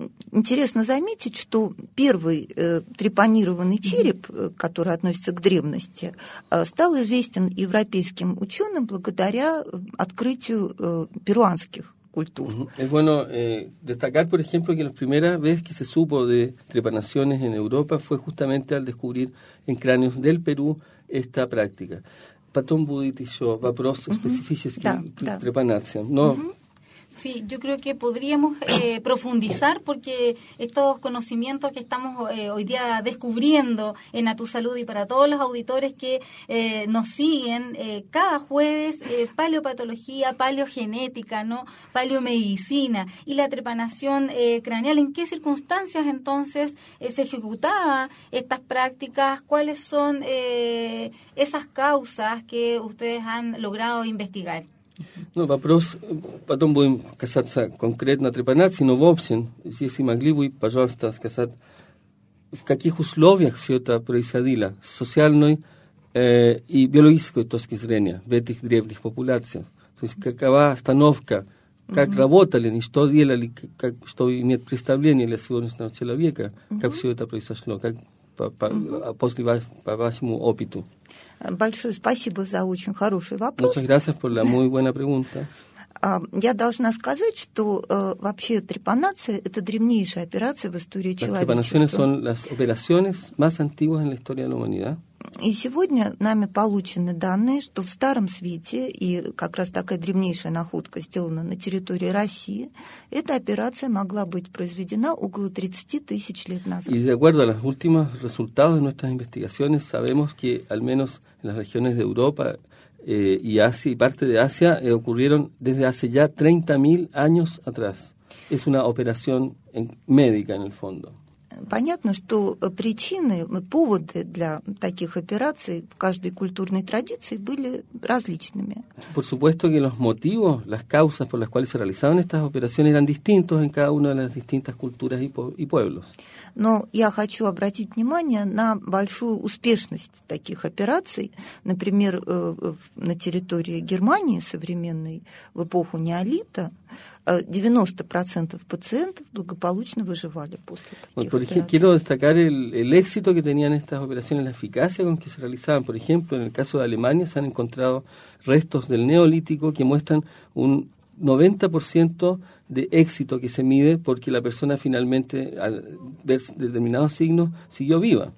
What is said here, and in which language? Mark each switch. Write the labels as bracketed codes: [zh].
[ru] Интересно заметить, что первый трепанированный череп, который относится к древности, стал известен европейским ученым благодаря открытию перуанских культур. [es] Es bueno destacar, por ejemplo, que la primera vez que se supo de trepanaciones en Europa fue justamente al descubrir en cráneos del Perú esta práctica. [ru] Потом будет еще вопрос específический к трепанациям. [es] Sí, yo creo que podríamos profundizar porque estos conocimientos que estamos hoy día descubriendo en A Tu Salud y para todos los auditores que nos siguen cada jueves, paleopatología, paleogenética, ¿no? Paleomedicina y la trepanación craneal, ¿en qué circunstancias entonces se ejecutaban estas prácticas? ¿Cuáles son esas causas que ustedes han logrado investigar? [ru] Ну, вопрос, потом будем касаться конкретно трепанации, но в общем, если могли бы, пожалуйста, сказать, в каких условиях все это происходило, с социальной и биологической точки зрения, в этих древних популяциях, то есть какова остановка, как работали, и что делали, как, чтобы иметь представление для сегодняшнего человека, как все это произошло, как после по вашему опыту. Большое спасибо за очень хороший вопрос. [es] Muchas gracias por la muy buena pregunta. [ru] Я должна сказать, что вообще трепанация – это древнейшая операция в истории человечества. [es] Las trepanaciones son las operaciones más antiguas en la historia de la humanidad. [ru] И сегодня нами получены данные, что в Старом Свете, и как раз такая древнейшая находка сделана на территории России, эта операция могла быть произведена около 30 тысяч лет назад. [es] Y de acuerdo a los últimos resultados de nuestras investigaciones, sabemos que al menos en las regiones de Europa y Asia, y parte de Asia, ocurrieron desde hace ya 30.000 años atrás. Es una operación médica en el fondo. [ru] Понятно, что причины, поводы для таких операций в каждой культурной традиции были различными. [es] Por supuesto que los motivos, las causas por las cuales se realizaban estas operaciones eran distintos en cada una de las distintas culturas y pueblos. [ru] Но я хочу обратить внимание на большую успешность таких операций. Например, на территории Германии современной в эпоху неолита 90% пациентов благополучно выживали после таких операций. [es] Quiero destacar el éxito que tenían estas operaciones, la eficacia con que se realizaban. Por ejemplo, en el caso de Alemania se han encontrado restos del neolítico que muestran un 90% de éxito que se mide porque la persona finalmente, al ver determinados signos, siguió viva.